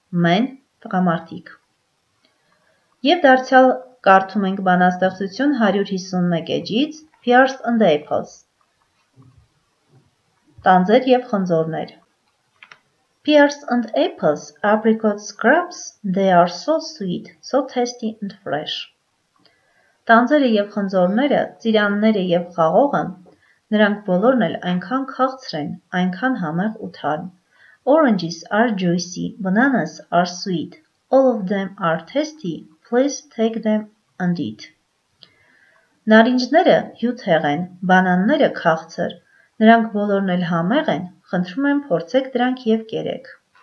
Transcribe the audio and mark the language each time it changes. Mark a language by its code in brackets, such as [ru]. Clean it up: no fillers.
[hy] Men, տղամարդիկ. Եվ դարձյալ կարդում ենք բանաստեղծություն 151 էջից, [en] Pears and Apples, [hy] տանձեր և խնձորներ. [en] Pears and Apples, apricot scraps, they are so sweet, so tasty and fresh. [hy] Տանձերը և խնձորները, ծիրանները և խաղողը, նրանք բոլորն էլ այնքան քաղցր են, այնքան համեղ ու թարմ. [en] Oranges are juicy, bananas are sweet, all of them are tasty. Please take them and eat. [hy] Նարինջները հյութ հեղեն, բանանները քաղցր, նրանք բոլորն էլ համեղ են, խնդրում եմ փորձեք դրանք և կերեք։